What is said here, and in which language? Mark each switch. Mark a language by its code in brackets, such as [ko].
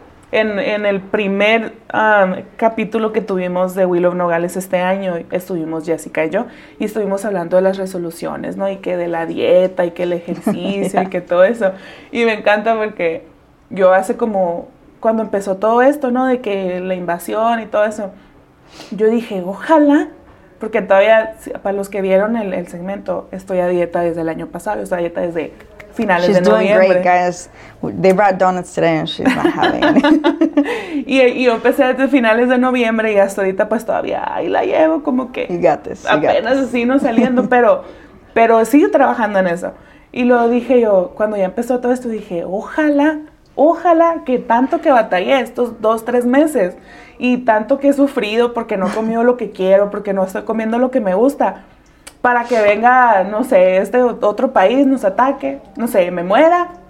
[es] En el primer capítulo que tuvimos de Wheel of Nogales este año, estuvimos Jessica y yo, y estuvimos hablando de las resoluciones, ¿no? Y que de la dieta, y que el ejercicio, y que todo eso. Y me encanta porque yo hace como, cuando empezó todo esto, ¿no? De que la invasión y todo eso, yo dije, ojalá Porque todavía, para los que vieron el segmento, estoy a dieta desde el año pasado. Estoy a dieta desde finales [en] she's [es] de noviembre. [en] She's doing great, guys. They brought donuts today and she's not having. [es] Y yo empecé desde finales de noviembre y hasta ahorita pues todavía ahí la llevo como que... [en] You got this. [es] Apenas así no saliendo, pero sigo trabajando en eso. Y luego dije yo, cuando ya empezó todo esto, dije, ojalá que tanto que batallé estos 2-3 meses y tanto que he sufrido porque no he comido lo que quiero, porque no estoy comiendo lo que me gusta, para que venga, no sé, este otro país, nos ataque, no sé, me muera.